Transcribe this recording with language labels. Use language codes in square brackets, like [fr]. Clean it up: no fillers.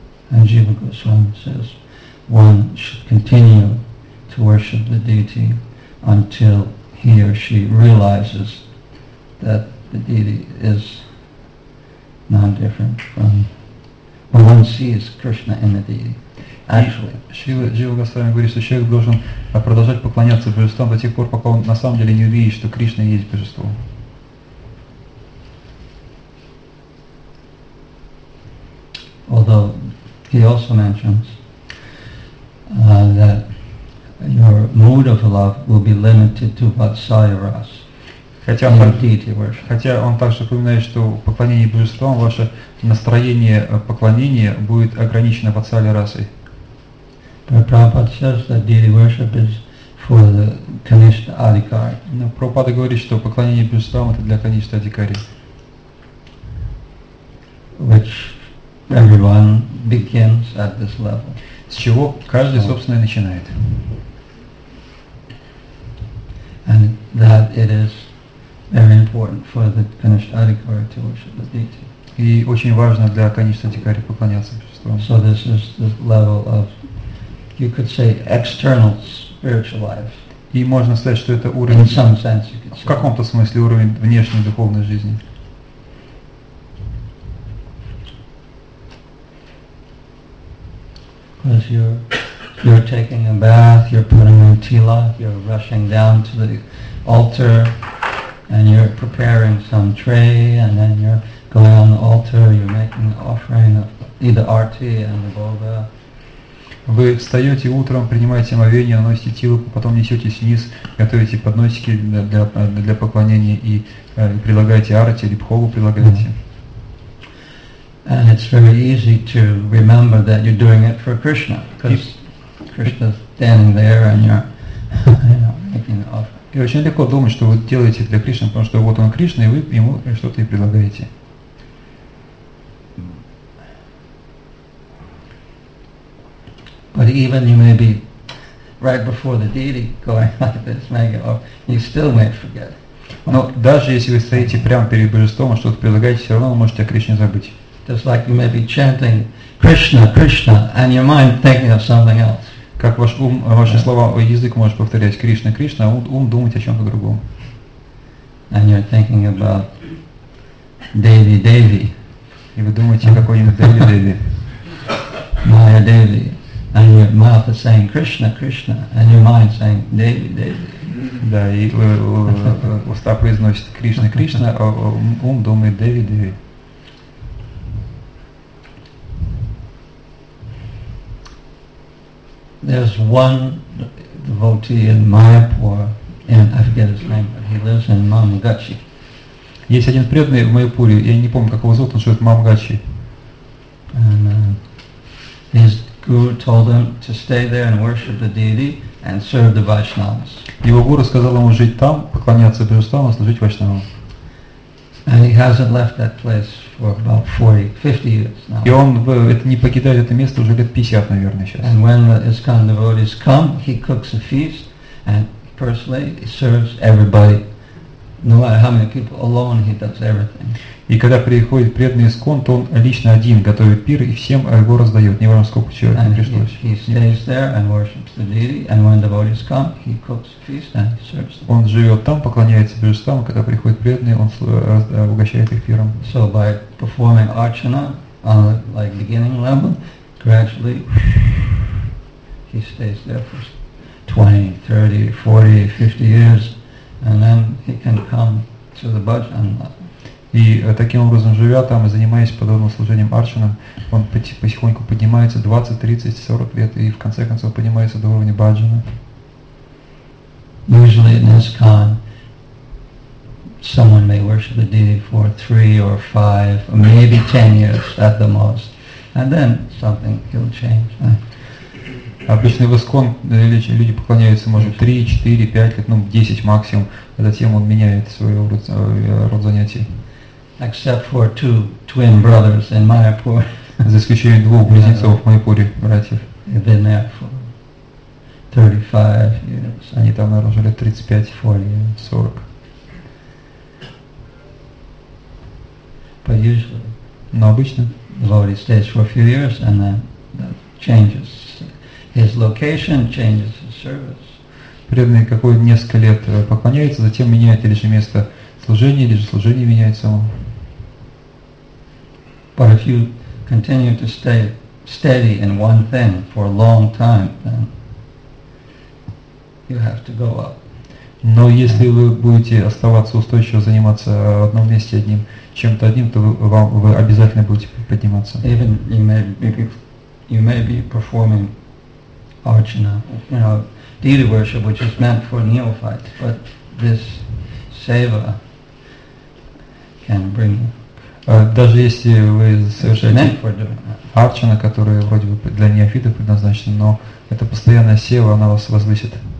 [en] And Jiva Goswami says, one should continue to worship the deity until he or she realizes that the deity is non-different from when one sees Krishna in the deity. [ru] Шрила Госвами говорит, что человек должен продолжать поклоняться божествам до тех пор, пока он на самом деле не увидит, что Кришна есть божество. [en] Although he also mentions that your mood of love will be limited to Vatsaya Ras. [ru] Хотя он также упоминает, что поклонение божествам, ваше настроение поклонения будет ограничено Vatsaya Расой. [en] But Prabhupada says that deity worship is for the Kanishtha Adhikari. [ru] Но Прабхупада говорит, что поклонение божествам это для Kanishtha Adhikari. [en] Which everyone begins at this level. [ru] С чего каждый, собственно, и начинает. [en] And that it is very important for the Kanishtha Adhikari to worship the deity. [ru] И очень важно для Kanishtha Adhikari поклоняться божествам. [en] So this is the level of, you could say, external spiritual life. [ru] И можно сказать, что это уровень... [en] In some sense you could say. [ru] В каком-то смысле уровень внешней духовной жизни. [en] Because you're taking a bath, you're putting on tilak, you're rushing down to the altar, and you're preparing some tray, and then you're going on the altar, you're making an offering of either arti and the boga. [ru] Вы встаете утром, принимаете омовение, наносите тилаку, потом несетесь вниз, готовите подносики для поклонения и прилагаете арти или бхогу прилагаете. [en] And it's very easy to remember that you're doing it for Krishna, because Krishna's standing there and you're, you know, making an offering. [ru] И очень легко думать, что вы делаете для Кришны, потому что вот он Кришна, и вы ему что-то и предлагаете. [en] But even you may be right before the deity going like this, making an offering, you still may forget. [ru] Но даже если вы стоите прямо перед божеством и что-то предлагаете, все равно вы можете о Кришне забыть. [en] Just like you may be chanting Krishna, Krishna, and your mind thinking of something else. [ru] Как ваш ум, ваши слова, язык можешь повторять Кришна, Кришна, а ум думать о чем-то другом. [en] And you're thinking about Devi, Devi. [ru] И вы думаете о какой-нибудь Devi, Devi. [en] Maya Devi. And your mouth is saying Krishna, Krishna, and your mind saying Devi, Devi. [ru] Да, и уста произносит Кришна, Кришна, а ум думает Devi, Devi. [en] There's one devotee in Mayapur, and I forget his name, but he lives in Mamgachi. [ru] Есть один преданный в Майпуре, я не помню, как его зовут, он живет в Мамгачи. [en] And his guru told him to stay there and worship the deity and serve the Vaishnavas. [ru] Его гуру сказал ему жить там, поклоняться божествам, служить Вайшнавам. [en] And he hasn't left that place for about 40-50 years now. [ru] И он не покидает это место уже лет 50, наверное, сейчас. [en] And when the ISKCON devotees come, he cooks a feast and personally he serves everybody. No matter how many people, alone he does everything. [ru] И когда приходит преданный ISKCON, то он лично один готовит пир и всем его раздает, не важно сколько человек [en] and [ru] пришлось. [en] He stays there and worships the deity, and when devotees come, he cooks a feast and he serves them. [ru] Он живет там, поклоняется божествам, когда приходит преданный, он угощает их пиром. [en] So by performing archana on like beginning level, gradually he stays there for 20, 30, 40, 50 years. And then he can come to the bhajan. [ru] И таким образом живя там и занимаясь подобным служением арчанам, он потихоньку поднимается 20, 30, 40 лет и в конце концов поднимается до уровня бхаджана. [en] Usually in ISKCON, someone may worship the deity for 3 or 5, or maybe 10 years at the most, and then something will change. [ru] Обычно в ISKCON люди поклоняются, может, 3, 4, 5 лет, ну, 10 максимум, а затем он меняет свой род занятий. [en] Except for two twin brothers in Mayapur. [ru] За исключением двух близнецов в Майпуре, братьев. [en] They've been there for 35 years. [ru] Они там, наверное, уже лет 35, 40, 40. [en] But usually. [ru] Но обычно. [en] Devotee stays for a few years and then that changes. His location changes his service. [ru] Преданный какой несколько лет поклоняется, затем меняет или же место служения, или же служение меняется он. [en] But if you continue to stay steady in one thing for a long time, then you have to go up. [ru] Но если вы будете оставаться устойчиво заниматься в одном месте одним чем-то одним, то вы обязательно будете подниматься. [en] Even you may be performing archana, you know, deity worship, which is meant for neophytes, but this seva can bring. [ru] Даже если вы совершаете арчана, которая вроде бы для неофитов предназначена, но это постоянная сева, она вас возвысит.